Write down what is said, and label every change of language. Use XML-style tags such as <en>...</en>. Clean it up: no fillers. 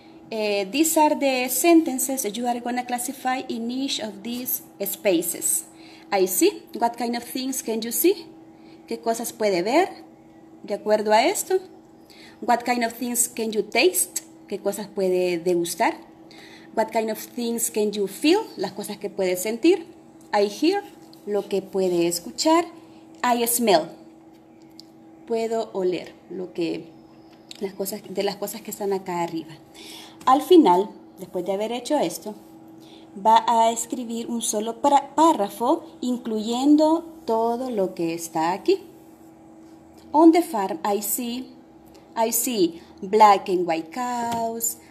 <en>These are the sentences that you are going to classify in each of these spaces. I see. What kind of things can you see?</en> <es>¿Qué cosas puede ver de acuerdo a esto?</es> <en>What kind of things can you taste?</en> <es>¿Qué cosas puede degustar?</es> <en>What kind of things can you feel?</en> <es>Las cosas que puede sentir.</es> <en>I hear.</en> <es>Lo que puede escuchar.</es> <en>I smell.</en> <es>Puedo oler las cosas que están acá arriba. Al final, después de haber hecho esto, va a escribir un solo párrafo incluyendo todo lo que está aquí.</es> <en>On the farm, I see black and white cows.</en>